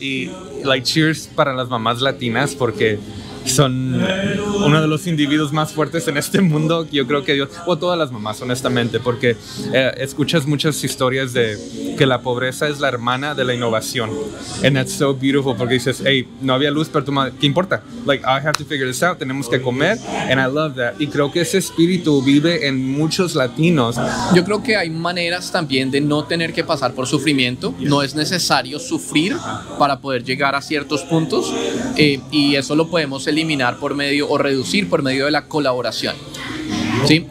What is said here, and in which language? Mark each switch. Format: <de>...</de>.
<es>Y</es> <en>like, cheers</en> <es>para las mamás latinas, porque son uno de los individuos más fuertes en este mundo, yo creo que Dios, o todas las mamás, honestamente, porque escuchas muchas historias de que la pobreza es la hermana de la innovación.</es> <en>And that's so beautiful,</en> <es>porque dices, hey, no había luz, pero tu madre, ¿qué importa?</es> <en>Like, I have to figure this out,</en> <es>tenemos que comer,</es> <en>and I love that.</en> <es>Y creo que ese espíritu vive en muchos latinos. Yo creo que hay maneras también de no tener que pasar por sufrimiento.</es> <en>Yes.</en> <es>No es necesario sufrir para poder llegar a ciertos puntos, y eso lo podemos eliminar por medio o reducir por medio de la colaboración. ¿Sí?</es>